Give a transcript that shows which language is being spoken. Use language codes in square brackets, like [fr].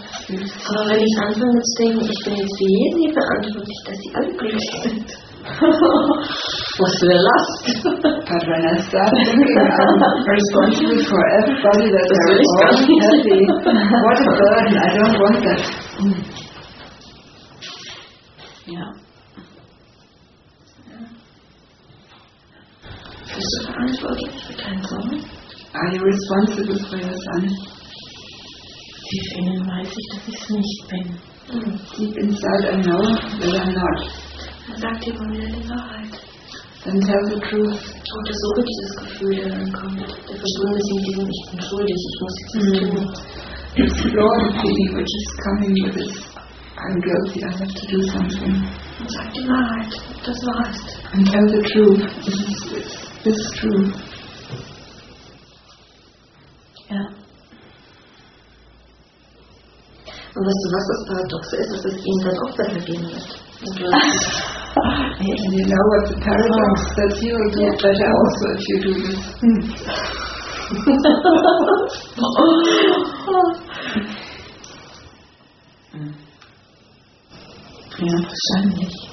[de] Aber wenn ich anfange zu denken, ich bin jetzt für jeden hier verantwortlich, dass sie alle glücklich sind. Was für eine Last. [en] But when I start thinking, I'm responsible for everybody that is all happy. What a burden, I don't want that. [de] Ja. Bist du verantwortlich für deinen Sohn? [en] Are you responsible for your son? [de] Tief innen weiß ich, dass ich es nicht bin. [en] Deep inside I know that I'm not. [de] Dann sag dir mal wieder die Wahrheit. [en] Then tell the truth. [de] Oder so wird dieses Gefühl, der dann kommt. Der Verschwund ist in diesem, ich bin schuldig, ich muss jetzt das tun. [en] Explore the feeling which is coming with this. I'm guilty, I have to do something. [de] Dann sag die Wahrheit, das war's. [en] And tell the truth, this is true. [de] Ja. Und weißt du, was das Paradoxe ist, dass es ihm dann auch besser gehen wird. [en] And you know what the paradox is, that he will do better also if you do this. [de] Ja, wahrscheinlich.